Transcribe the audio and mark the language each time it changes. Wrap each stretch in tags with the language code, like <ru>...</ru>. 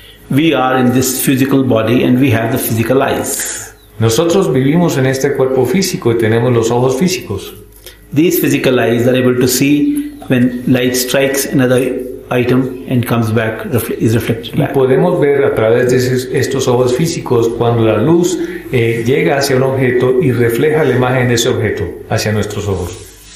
<en>We are in this physical body and we have the physical eyes.</en> <es>Nosotros vivimos en este cuerpo físico y tenemos los ojos físicos.</es> <en>These physical eyes are able to see when light strikes another item and comes back, is reflected back.</en> <es>Y podemos ver a través de estos ojos físicos cuando la luz llega hacia un objeto y refleja la imagen de ese objeto hacia nuestros ojos.</es>